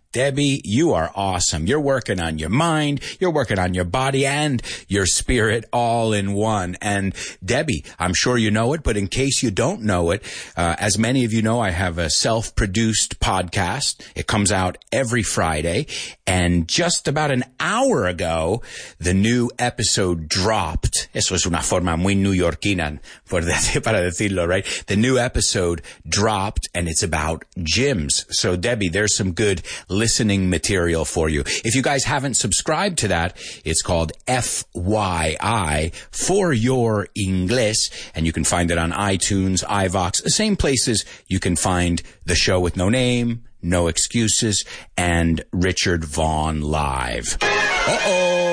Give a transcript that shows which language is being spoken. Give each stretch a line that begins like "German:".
English: Debbie, you are awesome. You're working on your mind, you're working on your body and your spirit all in one. And Debbie, I'm sure you know it, but in case you don't know it, as many of you know, I have a self-produced podcast. It comes out every Friday. And just about an hour ago, the new episode dropped.
Spanish: Eso es una forma muy newyorkina para decirlo, right?
English: The new episode dropped, and it's about gyms. So Debbie, there's some good listening material for you. If you guys haven't subscribed to that, it's called FYI for Your English, and you can find it on iTunes, iVox, the same places you can find the Show with No Name, No Excuses, and Richard Vaughn Live. Uh-oh!